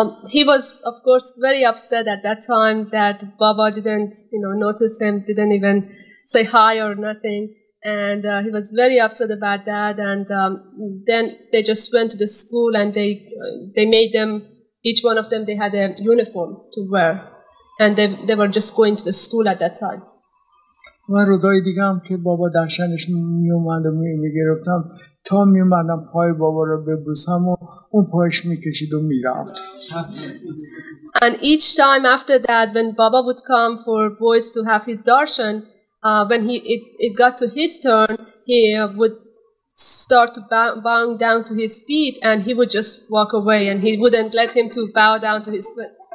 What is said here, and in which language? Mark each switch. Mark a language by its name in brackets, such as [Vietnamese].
[English] He was, of course, very upset at that time that Baba didn't, you know, notice him, didn't even say hi or nothing. And he was very upset about that. And then they just went to the school and they made them, each one of them, they had a uniform to wear. And they were just going to the school at that time. [Persian] و روزای دیگه هم که بابا درشنش می اومد و می گرفتم تا می اومدم پای بابا رو ببوسم و اون پایش می کشید و می رفت. [English] And each time after that, when Baba would come for boys to have his darshan, when it got to his turn, he would start to bow down to his feet and he would just walk away and he wouldn't let him to bow down to his feet.